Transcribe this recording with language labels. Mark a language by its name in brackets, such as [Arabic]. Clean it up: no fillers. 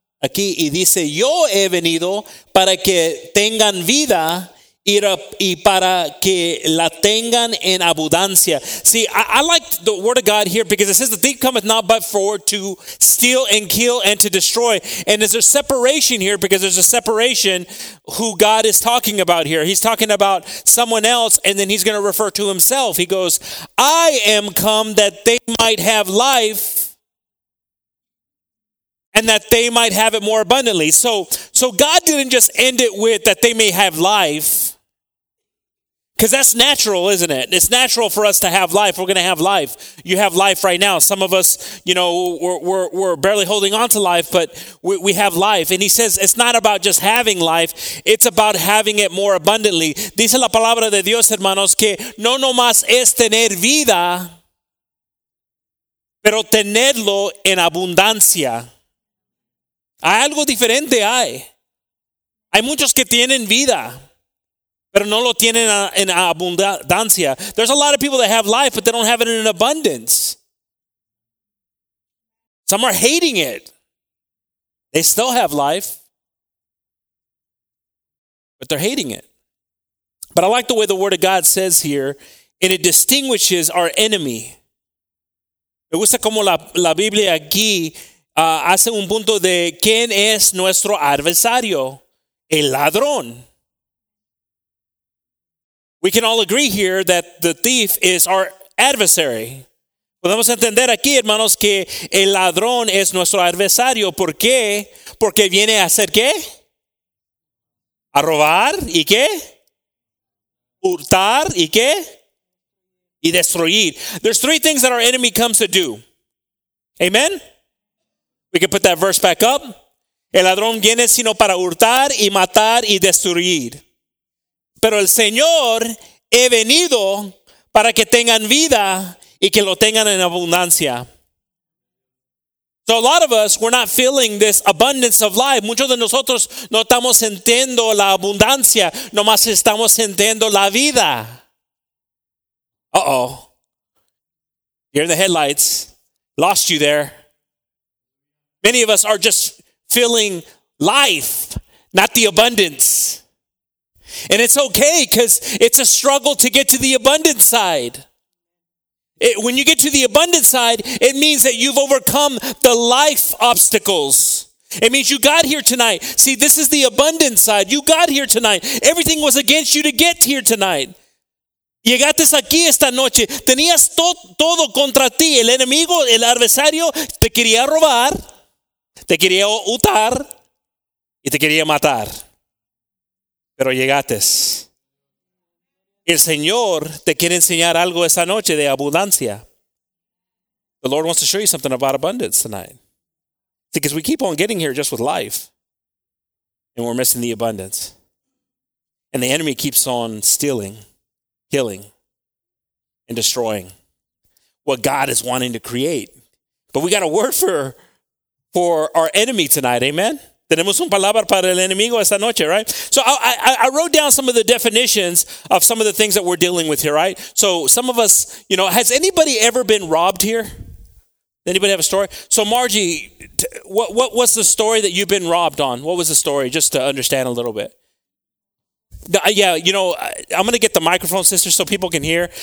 [Spanish] Aquí y dice, yo he venido para que tengan vida y para que la tengan en abundancia. [English] See, I like the word of God here because it says the thief cometh not but for to steal and kill and to destroy. And there's a separation here because there's a separation who God is talking about here. He's talking about someone else and then he's going to refer to himself. He goes, I am come that they might have life. And that they might have it more abundantly. So God didn't just end it with that they may have life. Because that's natural, isn't it? It's natural for us to have life. We're going to have life. You have life right now. Some of us, you know, we're barely holding on to life, but we have life. And he says, it's not about just having life. It's about having it more abundantly. [Spanish] Dice la palabra de Dios, hermanos, que no nomás es tener vida, pero tenerlo en abundancia. Hay algo diferente, hay. Hay muchos que tienen vida, pero no lo tienen en abundancia. [English] There's a lot of people that have life, but they don't have it in abundance. Some are hating it. They still have life, but they're hating it. But I like the way the Word of God says here, and it distinguishes our enemy. [Spanish] Me gusta como la Biblia aquí hace un punto de quién es nuestro adversario, el ladrón. [English] We can all agree here that the thief is our adversary. [Spanish] Podemos entender aquí, hermanos, que el ladrón es nuestro adversario. ¿Por qué? Porque viene a hacer qué? A robar y qué? Hurtar y qué? Y destruir. [English] There's three things that our enemy comes to do. Amen? We can put that verse back up. [Spanish] El ladrón viene sino para hurtar y matar y destruir. Pero el Señor he venido para que tengan vida y que lo tengan en abundancia. [English] So a lot of us, we're not feeling this abundance of life. [Spanish] Muchos de nosotros no estamos sintiendo la abundancia, nomás estamos sintiendo la vida. [English] Uh-oh. Here are the headlights. Lost you there. Many of us are just feeling life, not the abundance. And it's okay because it's a struggle to get to the abundant side. When you get to the abundant side, it means that you've overcome the life obstacles. It means you got here tonight. See, this is the abundant side. You got here tonight. Everything was against you to get here tonight. [Spanish] Llegaste aquí esta noche. Tenías todo contra ti. El enemigo, el adversario, te quería robar, te quería hurtar y te quería matar. Pero llegaste. El Señor te quiere enseñar algo esa noche de abundancia. [English] The Lord wants to show you something about abundance tonight. Because we keep on getting here just with life. And we're missing the abundance. And the enemy keeps on stealing, killing, and destroying what God is wanting to create. But we got a word for our enemy tonight, amen? [Spanish] Tenemos una palabra para el enemigo esta noche, right? [English] So I wrote down some of the definitions of some of the things that we're dealing with here, right? So some of us, you know, has anybody ever been robbed here? Anybody have a story? So Margie, what was the story that you've been robbed on? What was the story? Just to understand a little bit. Yeah, you know, I'm going to get the microphone, sister, so people can hear.